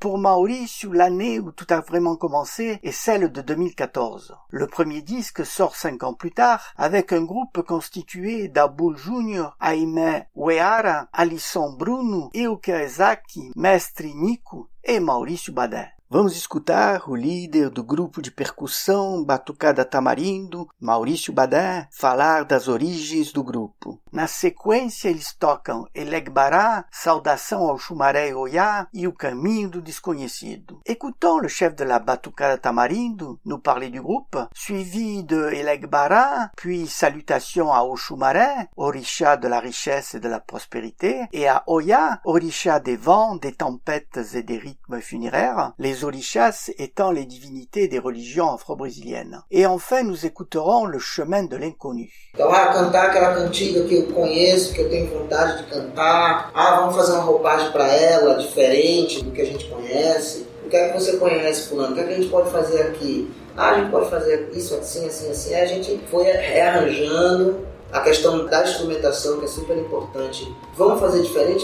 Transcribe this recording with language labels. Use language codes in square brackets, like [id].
[fr] Pour Maurício, l'année où tout a vraiment commencé est celle de 2014. Le premier disque sort 5 ans plus tard avec un groupe constitué d'Abu Junior, Aimé Weara, Alisson Bruno, Iukaezaki, Mestre Nico e Maurício Badin. [pt] Vamos escutar o líder do grupo de percussão Batucada Tamarindo, Maurício Badin, falar das origens do grupo. Na sequência, eles tocam Elegbará, Saudação ao Chumaré Oyá e O Caminho do Desconhecido. [fr] Écoutons le chef de la Batucada Tamarindo nous parler du groupe, suivi de Elegbará, puis Salutation à Chumaré, Orisha de la richesse et de la prospérité, et à Oyá, Orisha des vents, des tempêtes et des rythmes funéraires, les orichas étant les divinités des religions afro-brésiliennes. Et enfin, nous écouterons le chemin de l'inconnu. [pt] Então, cantar aquela cantiga que eu conheço, que eu tenho vontade de cantar. Vamos fazer uma roupagem para ela, diferente do que a gente conhece. O que é que você conhece, fulano? O que é que a gente pode fazer aqui? A gente pode fazer isso assim. A gente foi rearranjando a questão da instrumentação, que é super importante. Vamos fazer diferente?